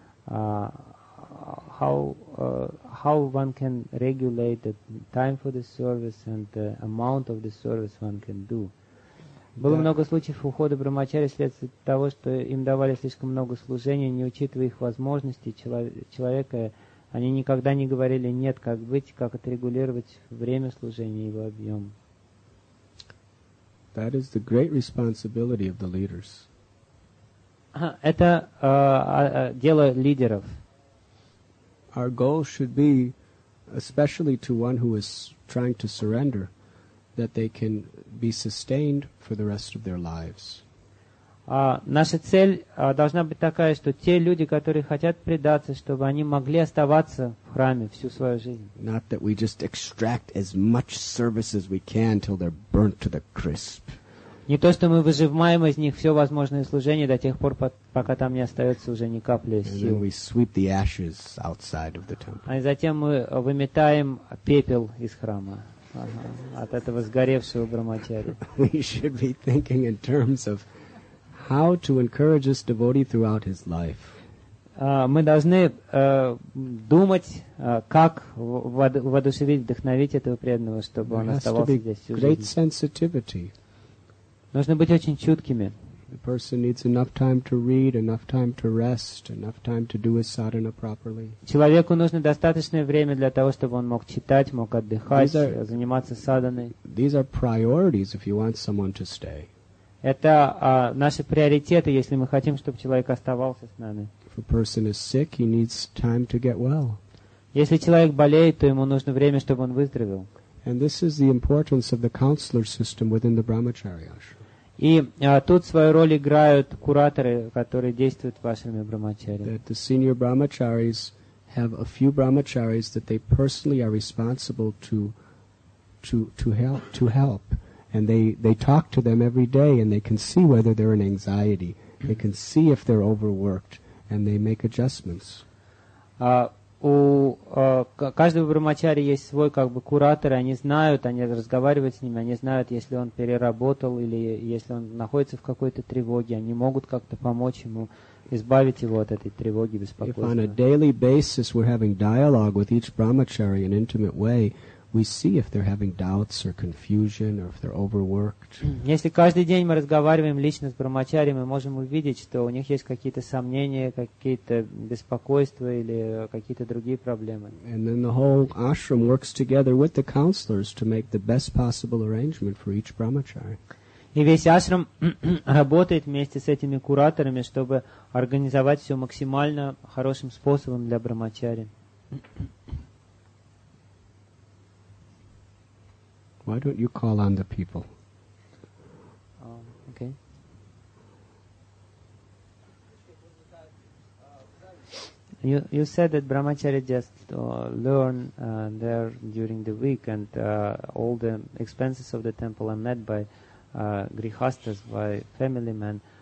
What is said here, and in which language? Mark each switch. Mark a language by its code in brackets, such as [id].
[en] How one can regulate the time for the service and the amount of the service one can do? [ru] Было много случаев ухода брахмачари вследствие того, что им давали слишком много служения, не учитывая их возможности человека. Они никогда не говорили «нет», как быть, как отрегулировать время служения и его объем. [en] That is the great responsibility of the leaders. [ru] Это дело лидеров. [en] Our goal should be, especially to one who is trying to surrender, that they can be sustained for the rest of their lives. [ru] Наша цель должна быть такая, что те люди, которые хотят предаться, чтобы они могли оставаться в храме всю свою жизнь. [en] Not that we just extract as much service as we can till they're burnt to the crisp. [ru] Не то, что мы выжимаем из них все возможное служение до тех пор, пока там не остается уже ни капли сил. [en] And then we sweep the ashes outside of the temple. [ru] А затем мы выметаем пепел из храма. От этого сгоревшего брахмачари. [en] We should be thinking in terms of how to encourage this devotee throughout his life. [ru] Мы должны думать, как воодушевить, вдохновить этого преданного, чтобы он оставался здесь всю жизнь. [en] Great sensitivity. [ru] Нужно быть очень чуткими. [en] The person needs enough time to read, enough time to rest, enough time to do his sadhana properly. [ru] Человеку нужно достаточное время для того, чтобы он мог читать, мог отдыхать, заниматься садханой. [en] These are priorities if you want someone to stay. [ru] Это наши приоритеты, если мы хотим, чтобы человек оставался с нами. [en] If a person is sick, he needs time to get well. [ru] Если человек болеет, то ему нужно время, чтобы он выздоровел. [en] And this is the importance of the counselor system within the Brahmacharya ashram. [ru] И тут свою роль играют кураторы, которые действуют в ашраме брахмачари. [en] That the senior brahmacharis have a few brahmacharis that they personally are responsible to help, and they talk to them every day, and they can see whether they're in anxiety, they can see if they're overworked, and they make adjustments. [ru] Каждого брахмачари есть свой как бы куратор, они знают, они разговаривают с ними, они знают, если он переработал или если он находится в какой-то тревоге, они могут как-то помочь ему избавить его от этой тревоги, беспокойства. [en] If on a daily basis we're having dialogue with each brahmachari in an intimate way, we see if they're having doubts or confusion or if they're overworked. [ru] Если каждый день мы разговариваем лично с брахмачари, мы можем увидеть, что у них есть какие-то сомнения, какие-то беспокойства или какие-то другие проблемы. [en] And then the whole ashram works together with the counselors to make the best possible arrangement for each brahmachari. [ru] И весь ашрам работает вместе с этими кураторами, чтобы организовать все максимально хорошим способом для брахмачари. [en] Why don't you call on the people? Okay. You said that brahmachari just learn there during the week, and all the expenses of the temple are met by grihasthas, by family men.